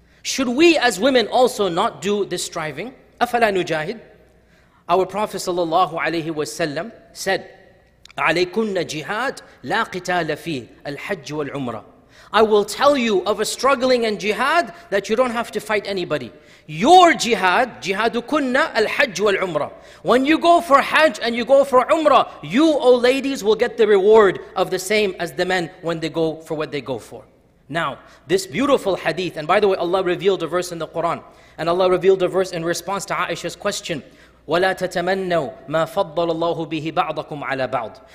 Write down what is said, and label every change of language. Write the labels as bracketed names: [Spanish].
[English] Should we as women also not do this striving? [Arabic] Afala nujahid? [English] Our Prophet sallallahu alayhi wasallam said, [Arabic] عَلَيْكُنَّ جِهَادٍ لَا قِتَالَ فِيهِ الْحَجِّ وَالْعُمْرَةِ. [English] I will tell you of a struggling and jihad that you don't have to fight anybody. Your jihad, [Arabic] جِهَادُكُنَّ الْحَجِّ وَالْعُمْرَةِ. [English] When you go for Hajj and you go for Umrah, you, O ladies, will get the reward of the same as the men when they go for what they go for. Now, this beautiful hadith, and by the way, Allah revealed a verse in the Quran, and Allah revealed a verse in response to Aisha's question, [Arabic] وَلَا تَتَمَنَّوا مَا فَضَّلَ اللَّهُ بِهِ بَعْضَكُمْ عَلَى بَعْضٍ.